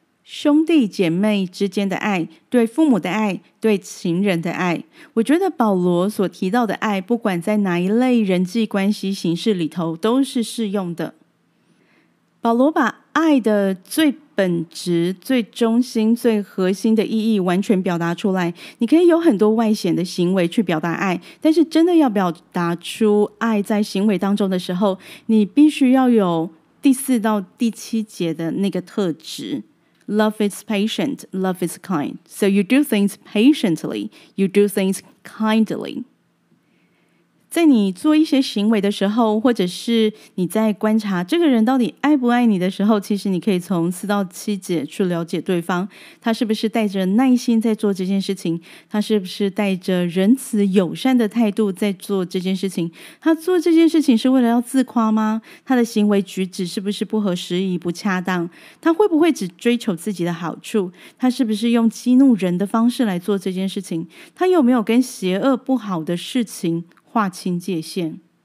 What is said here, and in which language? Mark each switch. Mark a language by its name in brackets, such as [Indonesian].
[Chinese] 兄弟姐妹之间的爱对父母的爱对情人的爱我觉得保罗所提到的爱不管在哪一类人际关系形式里头都是适用的保罗把爱的最本质、最中心、最核心的意义完全表达出来。你可以有很多外显的行为去表达爱，但是真的要表达出爱在行为当中的时候，你必须要有第四到第七节的那个特质。 [English] Love is patient, love is kind. So you do things patiently, you do things kindly. [Chinese] 在你做一些行为的时候或者是你在观察这个人到底爱不爱你的时候其实你可以从四到七节去了解对方他是不是带着耐心在做这件事情他是不是带着仁慈友善的态度在做这件事情他做这件事情是为了要自夸吗他的行为举止是不是不合时宜不恰当他会不会只追求自己的好处他是不是用激怒人的方式来做这件事情他有没有跟邪恶不好的事情划清界限